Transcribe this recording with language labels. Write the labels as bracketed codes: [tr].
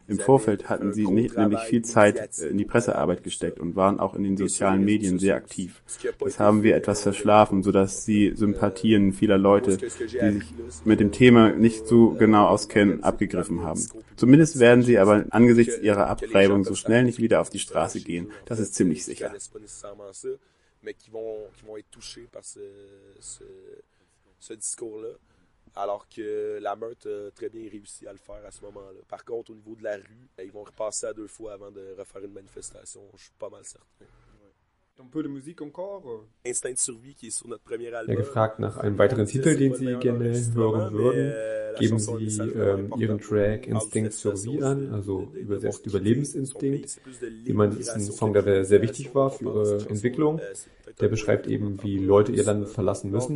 [de] Im Vorfeld hatten sie nämlich viel Zeit in die Pressearbeit gesteckt und waren auch in den sozialen Medien sehr aktiv. Das haben wir etwas verschlafen, sodass sie Sympathien vieler Leute, die sich mit dem Thema nicht so genau auskennen, abgegriffen haben. Zumindest werden sie aber angesichts ihrer Abreibung so schnell nicht wieder auf die Straße gehen. Das ist ziemlich sicher. [fr] Mais qui vont être touchés par ce discours-là, alors que la meute a très bien réussi à le faire à ce moment-là. Par contre, au niveau de la rue, ils vont repasser à deux fois avant de refaire une manifestation, je suis pas mal certain. Un peu de musique encore? Instinct de survie qui est sur notre premier album. [de] Il a gefragt nach einem weiteren Titel, den Sie gerne hören würden. Geben Sie Ihren Track Instinct Survie an, also übersetzt Überlebensinstinkt. Ich meine, das ist ein Song, der sehr wichtig war für Ihre Entwicklung. Der beschreibt eben, wie Leute ihr Land verlassen müssen.